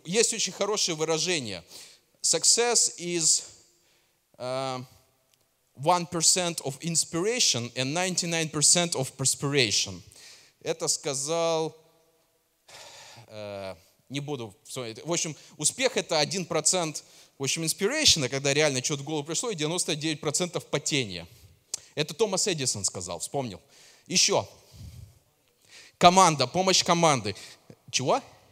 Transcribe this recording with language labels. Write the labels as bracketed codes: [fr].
[ru] Есть очень хорошее выражение. [en] Success is 1% of inspiration and 99% of perspiration. [ru] Это сказал... не буду... В общем, успех — это 1%, в общем, inspiration, когда реально что-то в голову пришло, и 99% потения. Это Томас Эдисон сказал, вспомнил. Еще. Команда, помощь команды. Чего?